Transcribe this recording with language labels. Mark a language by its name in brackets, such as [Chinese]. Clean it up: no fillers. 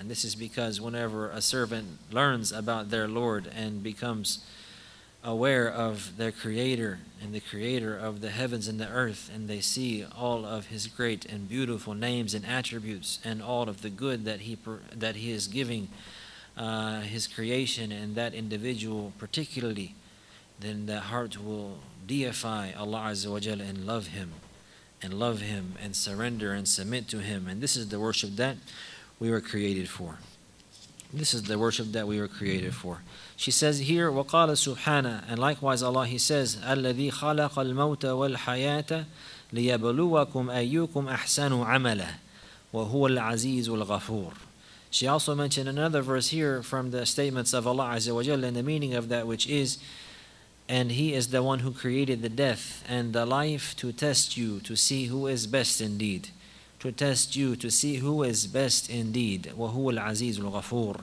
[English] And this is because whenever a servant learns about their Lord and becomes aware of their Creator and the Creator of the heavens and the earth, and they see all of his great and beautiful names and attributes and all of the good that he is giving his creation and that individual particularly, then the heart will deify Allah Azza wa Jal and love him and surrender and submit to him. And this is the worship that we were created for. This is the worship that we were created for. She says here, [Arabic] وَقَالَ سُبْحَانَا, [English] and likewise Allah, he says, [Arabic] أَلَّذِي خَلَقَ الْمَوْتَ وَالْحَيَاةَ لِيَبْلُوَكُمْ أَيُّكُمْ أَحْسَنُ عَمَلًا وَهُوَ الْعَزِيزُ الْغَفُورُ. [English] She also mentioned another verse here from the statements of Allah Azza wa Jal, and the meaning of that, which is, and he is the one who created the death and the life to test you, to see who is best indeed. To test you, to see who is best indeed. [Arabic] وَهُوَ الْعَزِيزُ الْغَفُورُ.